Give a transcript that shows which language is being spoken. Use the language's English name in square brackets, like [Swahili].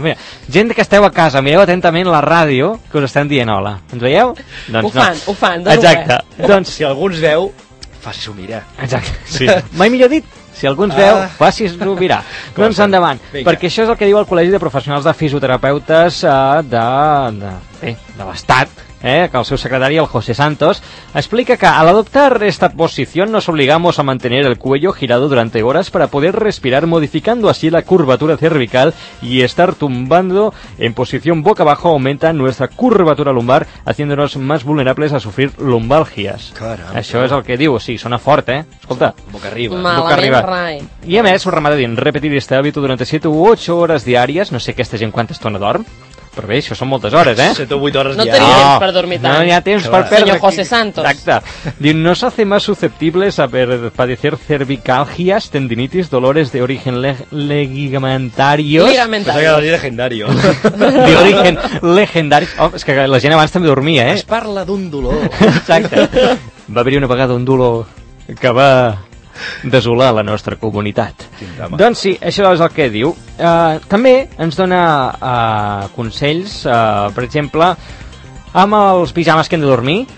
[Catalan] Mira, gent que esteu a casa, mireu atentament la ràdio que us estem dient hola. Ens veieu? Doncs ho fan, no. Ho fan. Exacte. Doncs... Si algú ens veu, faci-s'ho mirar. Exacte. Sí. Mai millor dit. Si algú ens veu, faci-s'ho mirar. Doncs endavant. Vinga. Perquè això és el que diu el Col·legi de Professionals de Fisioterapeutes de l'Estat. Que el seu secretari, el José Santos, explica que [Spanish] al adoptar esta posición nos obligamos a mantener el cuello girado durante horas para poder respirar, modificando así la curvatura cervical, y estar tumbando en posición boca abajo aumenta nuestra curvatura lumbar, haciéndonos más vulnerables a sufrir lumbalgias. [Catalan] Caramba. Això és el que diu, sí, sona fort, eh? Escolta. [Spanish] Boca arriba. [Catalan] Malament, [Spanish] boca arriba. [Catalan] I a més, ho remata dient, [Spanish] repetir este hábito durante 7 u 8 [Catalan] hores diàries, no sé aquesta gent quanta estona dorm, però bé, això són moltes hores, eh? 7 o 8 hores no ja. No tenia temps per dormir tant. No hi ha temps per perdre. Senyor José Santos. Exacte. Diu, [Spanish] no se hace más susceptibles a padecer cervicalgias, tendinitis, dolores de origen ligamentarios. Ligamentarios. De origen legendario. [Catalan] Oh, és que la gent abans també dormia, eh? Es parla d'un dolor. Exacte. Va haver-hi una vegada un dolor que va desolar la nostra comunitat. Doncs sí, això és el que diu. També ens dona consells, per exemple, amb els pijames que hem de dormir.